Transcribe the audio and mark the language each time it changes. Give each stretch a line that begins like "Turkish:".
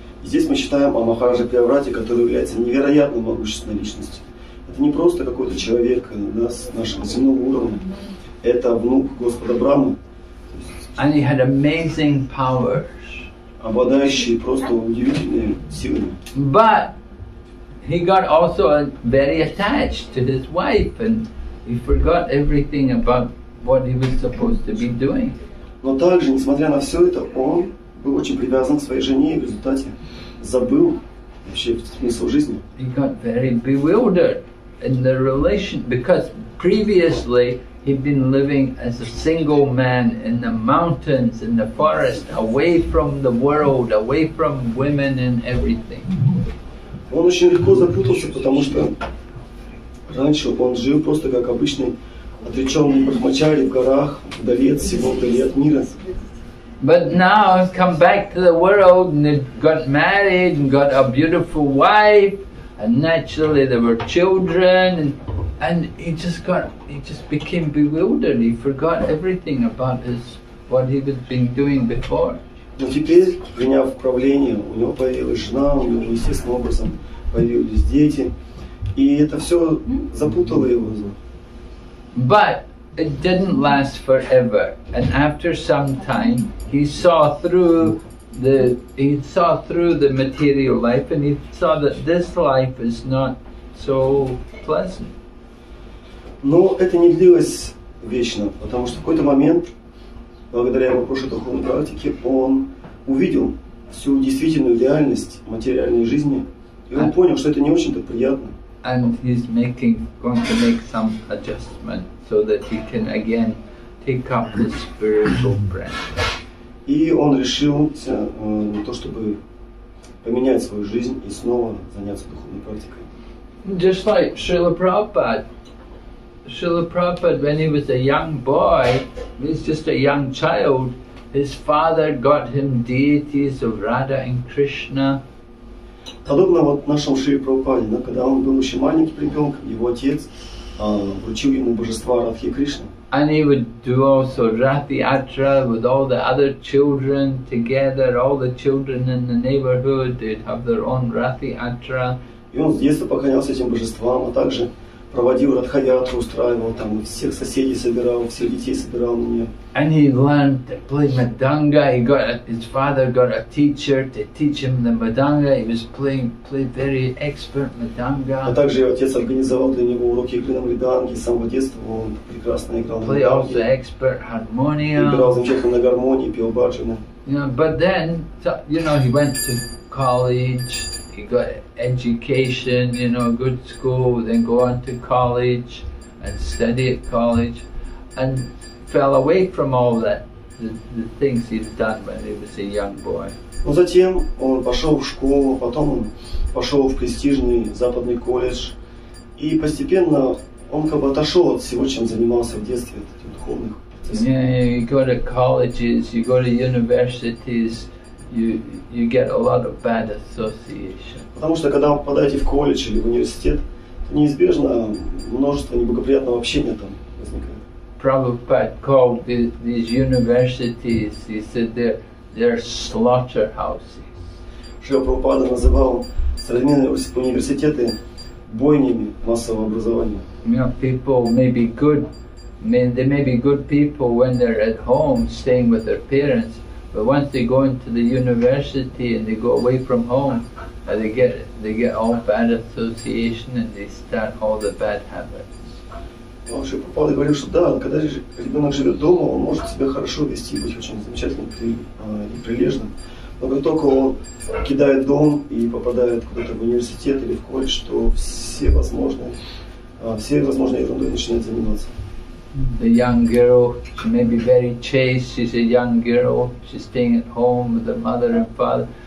Russian: Здесь мы считаем о Махараджа Приаврате, который является невероятно могущественной личностью. Это не просто какой-то человек с нашего земного уровня. Это внук Господа Брахмы.
English: And he had amazing powers.
Russian: Обладающий просто удивительными силами.
English: But he got also very attached to his wife and he forgot everything about what he was supposed to be doing.
Russian: Но также, несмотря на все это, он был очень привязан к своей жене и в результате забыл вообще смысл жизни.
English: He got very bewildered in the relation, because previously he'd been living as a single man in the mountains, in the forest, away from the world, away from women and everything.
Russian: Он очень легко запутался, потому что раньше он жил просто как обычный отречённый брахмачари в горах, вдали от всего, вдали от мира.
English: But now he's come back to the world and he got married and got a beautiful wife, and naturally there were children, and he just became bewildered. He forgot everything about his what he was been doing before.
Russian: Но теперь, приняв правление, у него появилась жена, у него естественным образом появились дети, и это все запутало его.
English: But it didn't last forever, and after some time he saw through the material life, and he saw that this life is not so pleasant.
Russian: Но это не длилось вечно, потому что в какой-то момент, благодаря его прошлой духовной практике, он увидел всю действительную реальность материальной жизни, и он понял, что это не очень-то приятно.
English: And he's going to make some adjustment so that he can again take up the spiritual breath.
Russian: И он решил на то, чтобы поменять свою жизнь и снова заняться духовной практикой.
English: Just like Srila Prabhupada, when he was a young boy, he's just a young child, his father got him deities of Radha and Krishna.
Russian: Подобно вот нашему Шри Прабхупаде, да, когда он был еще маленьким ребенком, его отец вручил ему божества Радхи Кришна.
English: And he would do also Radhi Atra with all the other children together, all the children in the neighborhood, they'd have their own Radhi Atra.
Russian: И он с детства поклонялся этим божествам, а также проводил Радхаятру, устраивал там всех соседей собирал, всех детей собирал на нее.
English: And he learned to play madanga. His father got a teacher to teach him the madanga. He was played very expert madanga.
Russian: А также его отец организовал для него уроки игры на мриданге. С самого детства он прекрасно играл на мриданге.
English: Played also expert harmonium.
Russian: Играл замечательно на гармонии, пел баджаны.
English: Yeah, but then, you know, he went to college. He got education, you know, good school. Then go on to college and study at college, and fell away from all that, the things he'd done when he was a young boy.
Russian: Но затем он пошел в школу, потом он пошел в престижный западный колледж, и постепенно он как бы отошел от всего, чем занимался в детстве, от этих духовных процессов.
English: Yeah, you go to colleges, you go to universities, you get a lot of bad association.
Russian: Потому что когда вы попадаете в колледж или в университет, то неизбежно множество неблагоприятного общения там возникает.
English: Prabhupada called these universities, he said, they're slaughterhouses.
Russian: Шрила Прабхупада называл современные университеты бойнями массового образования.
English: You know, people may be good, they may be good people when they're at home staying with their parents, but once they go into the university and they go away from home, they get all bad association and they start all the bad habits.
Russian: Шри Прабхупада говорил, что да, когда ребенок живет дома, он может себя хорошо вести, быть очень замечательным и прилежным. Но как только он кидает дом и попадает куда-то в университет или в колледж, то все возможные ерундой начинают заниматься.
English: The young girl, she may be very chaste, she's a young girl, she's staying at home with her mother and father.